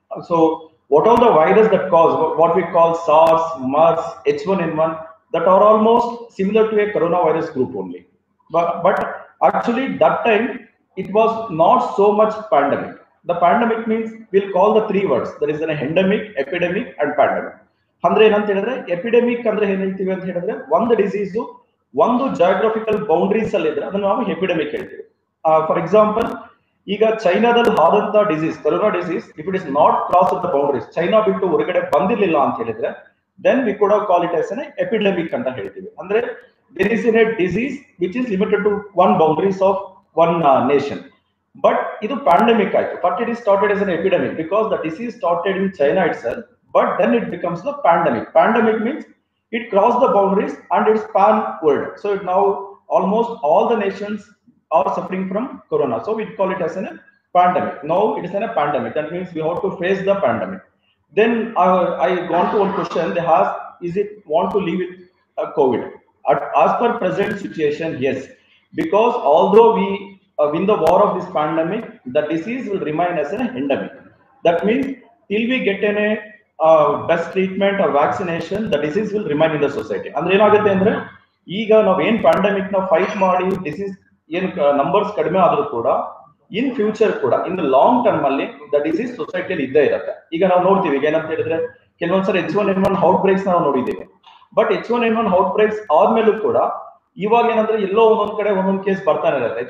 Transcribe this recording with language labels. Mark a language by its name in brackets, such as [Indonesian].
[English] So what all the virus that cause, what we call SARS, MERS, H1N1, that are almost similar to a coronavirus group only. But actually that time, it was not so much pandemic. The pandemic means, we'll call the three words. There is an endemic, epidemic and pandemic. [Kannada] ಅಂದ್ರೆ ಏನಂತ ಹೇಳಿದ್ರೆ epidemic ಅಂದ್ರೆ ಏನಂತೀವಿ ಅಂತ ಹೇಳಿದ್ರೆ ಒಂದು disease ಒಂದು geographical boundaries ಅಲ್ಲಿ ಇದ್ರೆ ಅದನ್ನ ನಾವು ಎಪಿಡೆಮಿಕ್ ಹೇಳ್ತೀವಿ. [English] for example, [Kannada] ಈಗ ಚೈನಾದಲ್ಲಿ ಆದಂತ disease, corona disease, [English] if it is not cross of the boundaries, [Kannada] China ಬಿಟ್ಟು ಹೊರಗಡೆ ಬಂದಿರಲಿಲ್ಲ ಅಂತ ಹೇಳಿದ್ರೆ, [English] then we could have call it as an epidemic [Kannada] ಅಂತ ಹೇಳ್ತೀವಿ. ಅಂದ್ರೆ [English] There is in a disease which is limited to one boundaries of one nation. But [Kannada] ಇದು pandemic ಆಯ್ತು, [English] But it is started as an epidemic because the disease started in China itself. But then it becomes the pandemic. Pandemic means it crossed the boundaries and it span world. So now almost all the nations are suffering from corona. So we call it as a pandemic. Now it is a pandemic. That means we have to face the pandemic. Then I go on to one question. They ask, is it want to live with COVID? as per present situation, yes, because although we win the war of this pandemic, the disease will remain as an endemic. That means till we get in a best treatment or vaccination, the disease will remain in the society. [Kannada] Andre enagutte andre ಈಗ ನಾವು ಏನ್ pandemic ನ fight ಮಾಡಿ disease ಏನ್ numbers ಕಡಿಮೆ ಆದರೂ ಕೂಡ in future ಕೂಡ ಇನ್ ಲಾಂಗ್ ಟರ್ಮ್ ಅಲ್ಲಿ ದ ಡಿಸೀಸ್ ಸೊಸೈಟಿಯಲ್ಲಿ ಇದ್ದೇ ಇರುತ್ತೆ. ಈಗ ನಾವು ನೋಡ್ತೀವಿ ಈಗ ಏನಂತ ಹೇಳಿದ್ರೆ ಕೆಲವೊಂದ್ಸರಿ H1N1 ಔಟ್ ಬ್ರೇಕ್ಸ್ ನಾವು ನೋಡಿದ್ದೇವೆ, ಬಟ್ H1N1 ಔಟ್ ಬ್ರೇಕ್ಸ್ ಆದ್ಮೇಲೂ ಕೂಡ ಇವಾಗ ಏನಂದ್ರೆ ಎಲ್ಲೋ ಒಂದೊಂದ್ ಕಡೆ ಒಂದೊಂದು ಕೇಸ್ ಬರ್ತಾನೆ ಇರುತ್ತೆ.